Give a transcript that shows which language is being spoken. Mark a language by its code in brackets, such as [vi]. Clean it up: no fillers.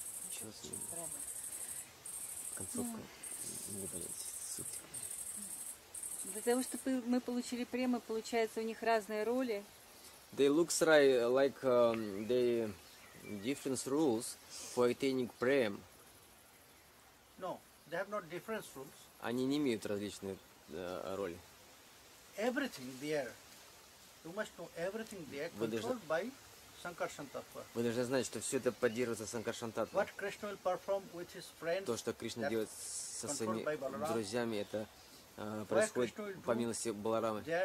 [ru] сейчас концовка не понять суть. Для того, чтобы мы получили премы, получается, у них разные роли. [en] They look like they different rules for attaining prem. No, they have not different rules. [ru] Они не имеют различные роли. [en] Everything there, you must know everything there controlled by Sankarshantattva. [ru] Вы должны знать, что все это поддерживается Sankarshantattva. [en] What Krishna will perform with his friends? [ru] То, что Кришна делает со своими друзьями, это происходит по милости Баларамы.